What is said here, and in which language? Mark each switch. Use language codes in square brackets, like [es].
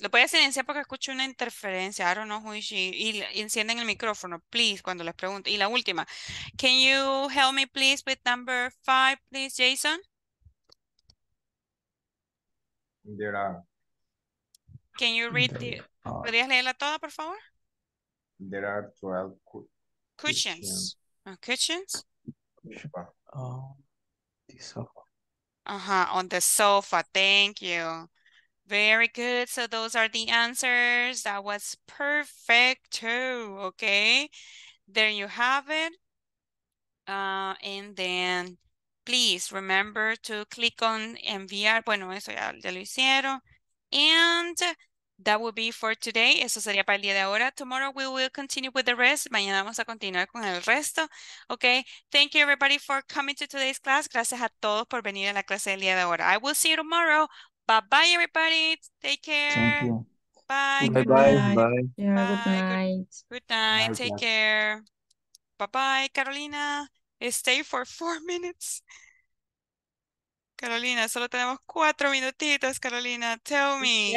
[es] Lo voy a silenciar porque escucho una interferencia. [en] I don't know who is she. [es] Y encienden el micrófono, please, cuando les pregunto. Y la última. [en] Can you help me, please, with number five, please, Jason? There are. Can you read the... [es] ¿Podrías leerla toda, por favor? [en] There are 12 cushions. Cushions? Oh, the sofa. Uh-huh, on the sofa. Thank you. Very good. So those are the answers. That was perfect too. Okay. There you have it. And then please remember to click on enviar. [es] Bueno, eso ya, ya lo hicieron. [en] And that will be for today. [es] Eso sería para el día de ahora. [en] Tomorrow we will continue with the rest. [es] Mañana vamos a continuar con el resto. Okay. [en] Thank you everybody for coming to today's class. [es] Gracias a todos por venir a la clase del día de ahora. [en] I will see you tomorrow. Bye-bye, everybody. Take care. Thank you. Bye. Bye-bye. Bye. Good night. Good night. Take care. Bye-bye, Carolina. Stay for 4 minutes. [es] Carolina, solo tenemos 4 minutitos, Carolina. [en] Tell me.